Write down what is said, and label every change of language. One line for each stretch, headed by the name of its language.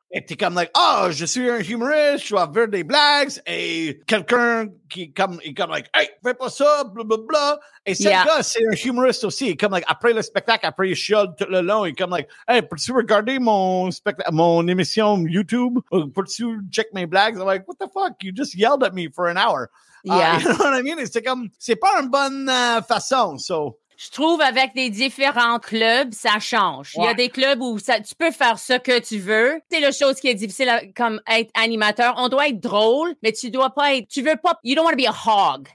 French: Et t'es comme like, oh, je suis un humoriste, je vais faire des blagues, et quelqu'un qui comme, il comme like, hey, fais pas ça, blablabla. Et ce yeah. gars, c'est un humoriste aussi, il comme like, après le spectacle, après il chiale tout le long, il comme like, hey, peux-tu regarder mon émission YouTube, peux-tu check mes blagues?
English: I'm like, what the fuck, you just yelled at me for an hour. Yeah. You know what I mean?
French: Et c'est comme, c'est pas une bonne façon, so. Je trouve avec des différents clubs, ça change. Ouais. Il y a des clubs où ça, tu peux faire ce que tu veux. C'est la chose qui est difficile à, comme être animateur. On doit être drôle, mais tu dois pas être... Tu veux pas...
English: You don't want to be a hog.